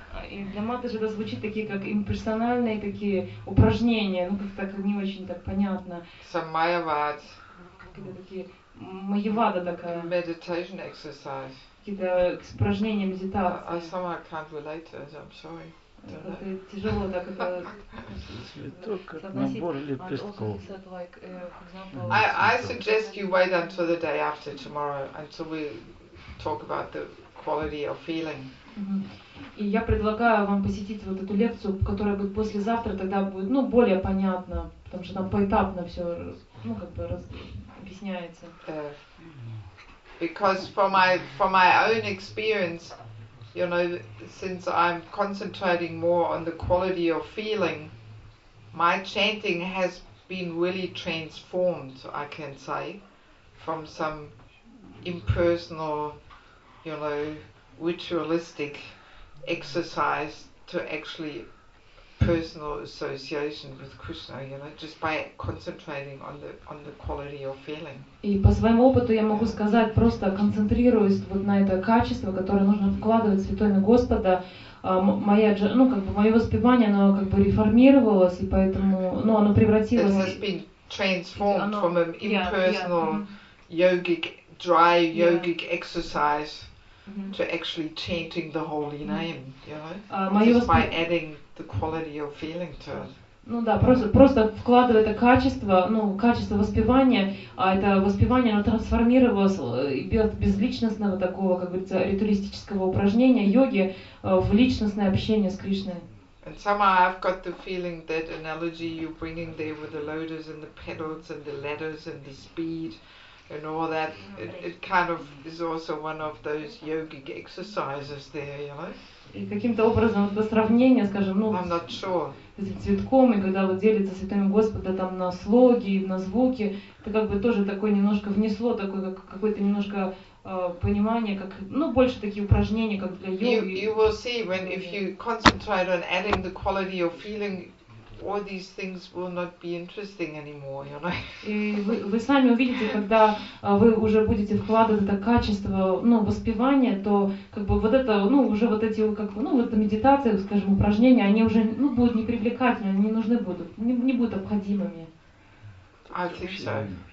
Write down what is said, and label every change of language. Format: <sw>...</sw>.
<ru>И для маты же это звучит такие как имперсональные такие упражнения, ну как-то не очень так понятно. Самаявад. Какие-то такие маявада такая.</ru> <en>Meditation exercise.</en> <ru>Какие-то упражнения медитации.</ru> <en>I somehow can't relate to it, I'm sorry.</en> <ru>Тяжело так это соотносить.</ru> <en>I suggest you wait until the day after tomorrow, until we talk about the quality of feeling.</en> <ru>И я предлагаю вам посетить вот эту лекцию, которая будет послезавтра, тогда будет, более понятно, потому что там поэтапно все, объясняется.</ru> <en>Because for my own experience, you know, since I'm concentrating more on the quality of feeling, my chanting has been really transformed, I can say, from some impersonal, you know, ritualistic exercise to actually personal association with Krishna, you know, just by concentrating on the quality of feeling.</en> <ru>И по своему опыту я могу сказать, просто концентрируясь вот на это качество, которое нужно вкладывать в святое имя Господа, мое воспевание, оно как бы реформировалось, и поэтому, оно превратилось.</ru> <en>It has been transformed from an impersonal yogic, dry yogic exercise. Mm-hmm. To actually chanting the holy name, you know, just by adding the quality of feeling to it.</en> <ru>Ну да, просто вкладывая это качество, качество воспевания, а это воспевание, оно трансформировалось от безличностного такого, как говорится, ритуалистического упражнения йоги в личностное общение с Кришной.</ru> <en>And somehow I've got the feeling that analogy you're bringing there with the lotus and the petals and the letters and the speed. And all that, it kind of is also one of those yogic exercises there, you know?</en> <ru>И каким-то образом это сравнение, скажем,</ru> <en>I'm not sure.</en> <ru>С цветком, и когда вот делится святыми Господа там на слоги, на звуки, это как бы тоже такое немножко внесло такое как какое-то немножко понимание, как больше такие упражнения, как для йоги.</ru> <en>You will see when if you concentrate on adding the quality of feeling. All these things will not be interesting anymore, you know.</en> <ru>И вы сами увидите, когда вы уже будете вкладывать это качество, воспевания, то как бы вот это, уже вот эти как бы, вот эта медитация, скажем, упражнения, они уже, будут не привлекательны, не нужны будут, не будут необходимыми.</ru> <en>I think so.</en>